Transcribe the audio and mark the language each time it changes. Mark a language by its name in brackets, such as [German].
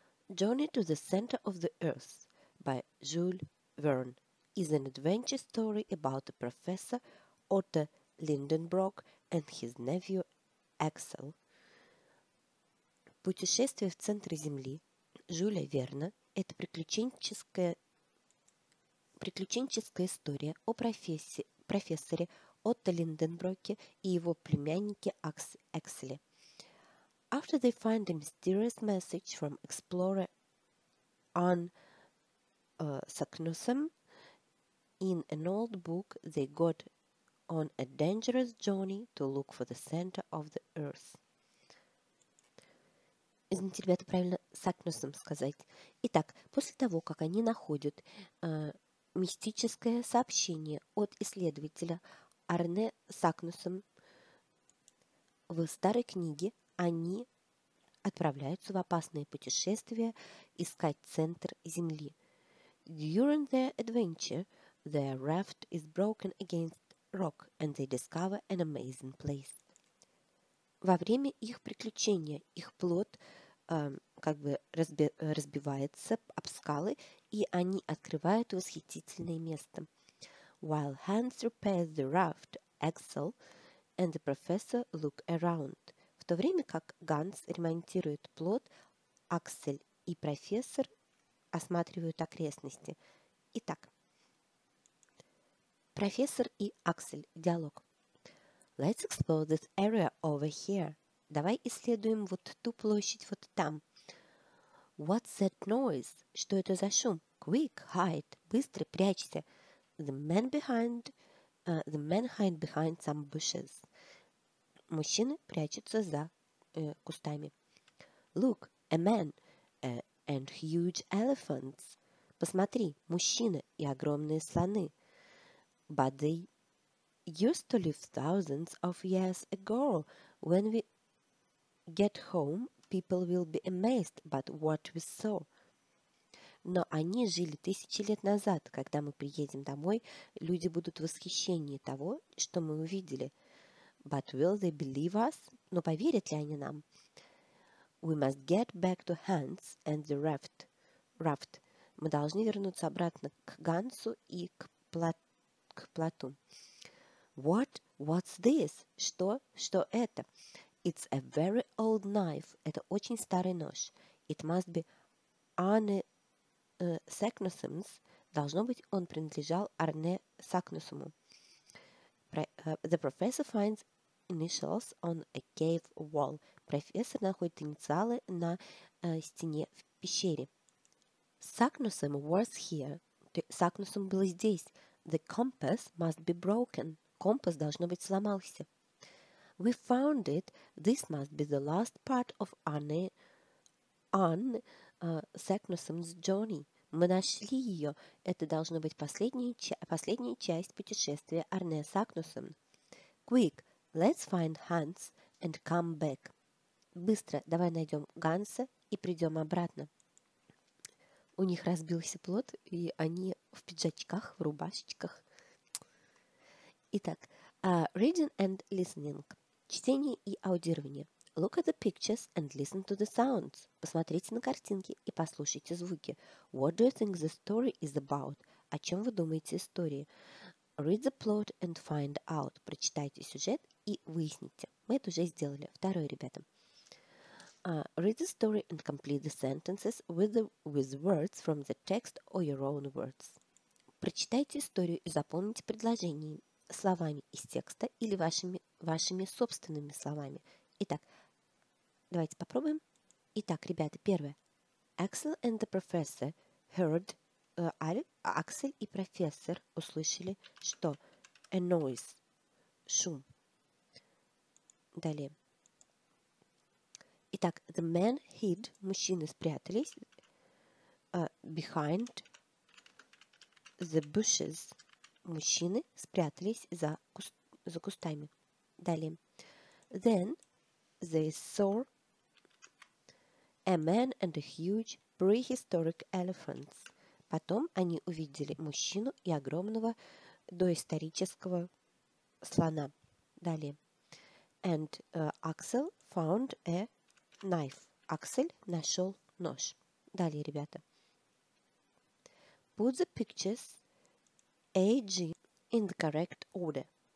[English] Journey to the Center of the Earth by Jules Verne is an adventure story about a professor Otto Lindenbrock and his nephew Axel. [Russian] Путешествие в центр Земли Жюля Верна – это приключенческая история о профессоре Отто Линденброке и его племяннике Акселе. [English] After they find a mysterious message from explorer Ann Saknussemm in an old book, they got on a dangerous journey to look for the center of the earth. [Russian] Извините, ребята, правильно Сакнусом сказать. Итак, после того, как они находят мистическое сообщение от исследователя Арне Сакнусом в старой книге, они отправляются в опасное путешествие искать центр Земли. [English] During their adventure, their raft is broken against rock and they discover an amazing place. [Russian] Во время их приключения их плод разбивается об скалы, и они открывают восхитительное место. [English] While Hans repairs the raft, Axel and the professor look around. [Russian] В то время как Ганс ремонтирует плот, Аксель и профессор осматривают окрестности. Итак, профессор и Аксель. Диалог. [English] Let's explore this area over here. [Russian] Давай исследуем вот ту площадь вот там. [English] What's that noise? [Russian] Что это за шум? [English] Quick, hide. [Russian] Быстро, прячься. [English] The man hide behind some bushes. [Russian] Мужчины прячутся за кустами. [English] Look, a man and huge elephants. [Russian] Посмотри, мужчины и огромные слоны. [English] But they used to live thousands of years ago when we get home, people will be amazed by what we saw. [Russian] Но они жили тысячи лет назад. Когда мы приедем домой, люди будут в восхищении того, что мы увидели. [English] But will they believe us? [Russian] Но поверят ли они нам? [English] We must get back to Hans and the raft. [Russian] Мы должны вернуться обратно к Гансу и к плоту. [English] What? What's this? [Russian] Что? Что это? [English] It's a very old knife. [Russian] Это очень старый нож. [English] It must be Arne Saknussemm's. [Russian] Должно быть, он принадлежал Арне Сакнусому. [English] The professor finds initials on a cave wall. [Russian] Профессор находит инициалы на стене в пещере. [English] Saknussemm was here. [Russian] Сакнусом был здесь. [English] The compass must be broken. [Russian] Компас, должно быть, сломался. [English] We found it. This must be the last part of Saknussemm's journey. [Russian] Мы нашли ее. Это должна быть последняя часть путешествия Арне Сакнусом. [English] Quick, let's find Hans and come back. [Russian] Быстро, давай найдем Ганса и придем обратно. У них разбился плот, и они в пиджачках, в рубашечках. Итак, [English] reading and listening. [Russian] Чтение и аудирование. [English] Look at the pictures and listen to the sounds. [Russian] Посмотрите на картинки и послушайте звуки. [English] What do you think the story is about? [Russian] О чем вы думаете истории? [English] Read the plot and find out. [Russian] Прочитайте сюжет и выясните. Мы это уже сделали. Второе, ребята. [English] Read the story and complete the sentences with words from the text or your own words. [Russian] Прочитайте историю и заполните предложения словами из текста или вашими собственными словами. Итак, давайте попробуем. Итак, ребята, первое. [English] Axel and the professor heard [Russian] Axel и профессор услышали что? [English] A noise. [Russian] Шум. Далее. Итак, [English] the man hid. [Russian] Мужчины спрятались [English] behind the bushes. [Russian] Мужчины спрятались за кустами. Далее. [English] Then they saw a man and a huge prehistoric elephants. [Russian] Потом они увидели мужчину и огромного доисторического слона. Далее. [English] And Axel found a knife. [Russian] Axel нашел нож. Далее, ребята. [English] Put the pictures A, G in the correct order.